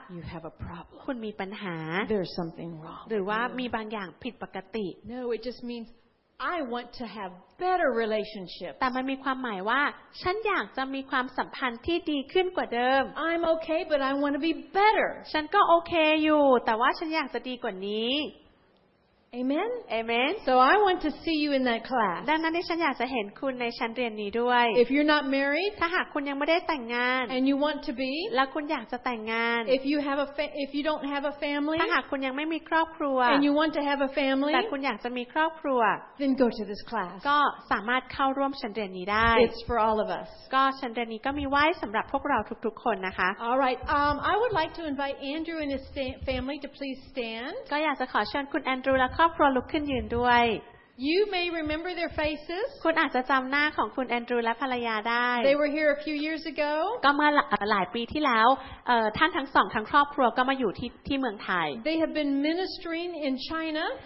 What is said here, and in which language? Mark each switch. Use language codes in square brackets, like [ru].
[en] You have a problem [th] คุณมีปัญหา [en] There's something wrong [th] หรือว่ามีบางอย่างผิดปกติ [en] No it just means I want to have better relationships [th] แต่มันมีความหมายว่าฉันอยากจะมีความสัมพันธ์ที่ดีขึ้นกว่าเดิม [en] I'm okay but I want to be better [th] ฉันก็โอเคอยู่แต่ว่าฉันอยากจะดีกว่านี้ [en] Amen. Amen. So I want to see you in that class. [th] ดังนั้นดิฉันอยากจะเห็นคุณในชั้นเรียนนี้ด้วย [en] If you're not married, [th] ถ้าหากคุณยังไม่ได้แต่งงาน [en] and you want to be, [th] และคุณอยากจะแต่งงาน [en] if you don't have a family, [th] ถ้าหากคุณยังไม่มีครอบครัว [en] and you want to have a family, [th] แต่คุณอยากจะมีครอบครัว [en] then go to this class. [th] ก็สามารถเข้าร่วมชั้นเรียนนี้ได้ [en] It's for all of us. [th] ก็ชั้นเรียนนี้ก็มีไว้สำหรับพวกเราทุกๆคนนะคะ [en] All right. I would like to invite Andrew and his family to please stand. [th] ก็อยากจะขอเชิญคุณแอนดรูและครอบครัวลุกขึ้นยืนด้วย [en] You may remember their faces [th] คุณอาจจะจำหน้าของคุณแอนดรูและภรรยาได้ [en] They were here a few years ago [th] ก็เมื่อหลายปีที่แล้วท่านทั้งสองทั้งครอบครัวก็มาอยู่ที่เมืองไทย [en] They have been ministering in China